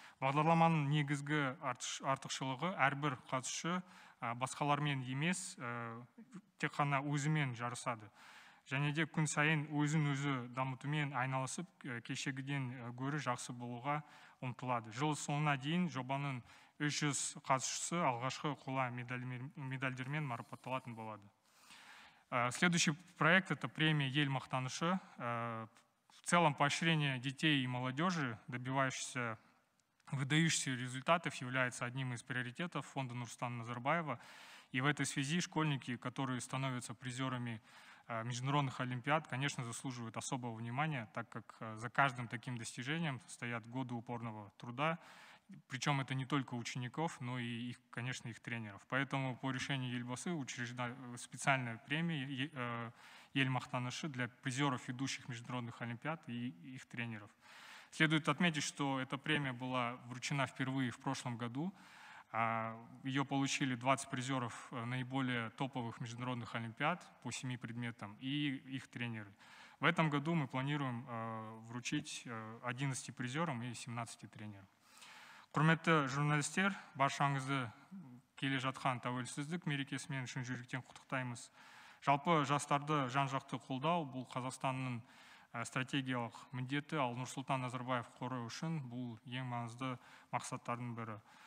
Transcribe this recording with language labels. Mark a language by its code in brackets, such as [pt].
[kk] Бағдарламаның негізгі артықшылығы әрбір қатысушы басқалармен емес, тек қана өзімен жарысады. Және де күн сайын өзін-өзі дамытумен айналысып, кешегіден гөрі жақсы болуға ұмтылады. Жыл соңына дейін жобаның 300 қатысушысы алғашқы қола медальдермен марапатталатын болады. [ru] Следующий проект – это премия «Ель мақтанышы». В целом поощрение детей и молодежи, добивающихся выдающихся результатов, является одним из приоритетов фонда Нурсултана Назарбаева. И в этой связи школьники, которые становятся призерами международных олимпиад, конечно, заслуживают особого внимания, так как за каждым таким достижением стоят годы упорного труда. Причем это не только учеников, но и, их, конечно, их тренеров. Поэтому по решению Елбасы учреждена специальная премия «Ель Мақтанышы» для призеров ведущих международных олимпиад и их тренеров. Следует отметить, что эта премия была вручена впервые в прошлом году. Ее получили 20 призеров наиболее топовых международных олимпиад по 7 предметам и их тренеры. В этом году мы планируем вручить 11 призерам и 17 тренерам. [kk] Құрметті журналистер, баршаңызды келе жатқан тәуелсіздік мерекесімен шын жүректен құттықтаймыз. Жалпы жастарды жан-жақты қолдау бұл Қазақстанның стратегиялық міндеті, ал Нұрсұлтан Назарбаев қоры үшін бұл ең маңызды мақсаттардың бірі.